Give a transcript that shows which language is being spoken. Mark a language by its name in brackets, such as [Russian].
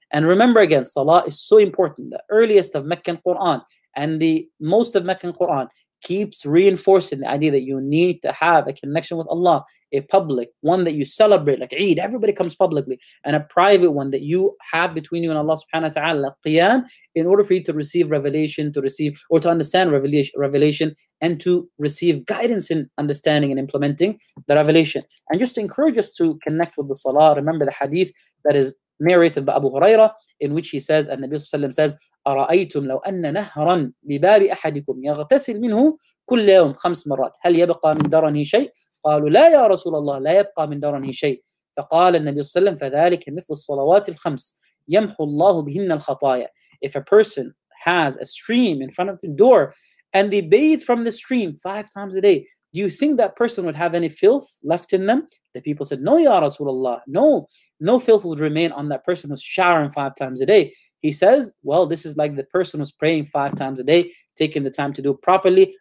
[English] And remember again, salah is so important. The earliest of Meccan Quran and the most of Meccan Quran keeps reinforcing the idea that you need to have a connection with Allah, a public one that you celebrate, like Eid, everybody comes publicly, and a private one that you have between you and Allah subhanahu wa ta'ala, Qiyam, in order for you to receive revelation, to receive or to understand revelation, and to receive guidance in understanding and implementing the revelation. And just to encourage us to connect with the salah, remember the hadith that is narrated by Abu Huraira, in which he says, and Nabi Sallallahu Alaihi Wasallam says, [Arabic] أَرَأَيْتُمْ لَوْ أَنَّ نَهْرًا بِبَابِ أَحَدِكُمْ يَغْتَسِلْ مِنْهُ كُلَّ يَوْمْ خَمْسْ مَرَّاتِ هَلْ يَبْقَى مِنْ دَرَنِهِ شَيْءٍ قَالُوا لَا يَا رَسُولَ اللَّهِ لَا يَبْقَى مِنْ دَرَنِهِ شَيْءٍ فَقَالَ النَّبِيُّ صلى الله عليه وسلم فَذَلِكَ مِثْلُ الصَّلَوَاتِ الْخَمْسِ يَمْحُو اللَّهُ بِهِنَّ الْخَطَايَا. [English] If a person has a stream in front of the door and they bathe from the stream 5 times a day, do you think that person would have any filth left in them? The people said, no, Ya Rasulullah, no. No filth would remain on that person who's showering 5 times a day. He says, well, this is like the person who's praying 5 times a day, taking the time to do it properly.